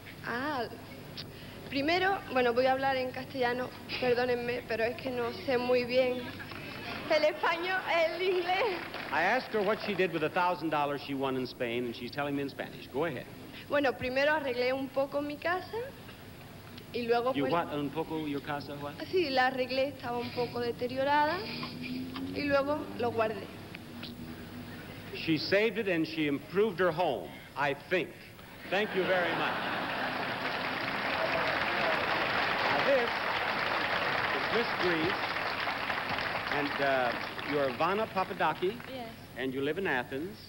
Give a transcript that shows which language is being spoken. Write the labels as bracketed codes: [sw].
[es] Ah, primero, bueno, voy a hablar en castellano, perdónenme, pero es que no sé muy bien el español, el inglés. [en] I asked her what she did with $1,000 she won in Spain, and she's telling me in Spanish. Go ahead. [es] Bueno, primero arreglé un poco mi casa, y luego... [en] You what, [es] un poco [en] your casa, what? [es] Sí, la arreglé, estaba un poco deteriorada, y luego lo guardé. [en] She saved it and she improved her home. I think. Thank you very much. Now this is Miss Greece, and you're Vanna Papadaki. Yes. And you live in Athens.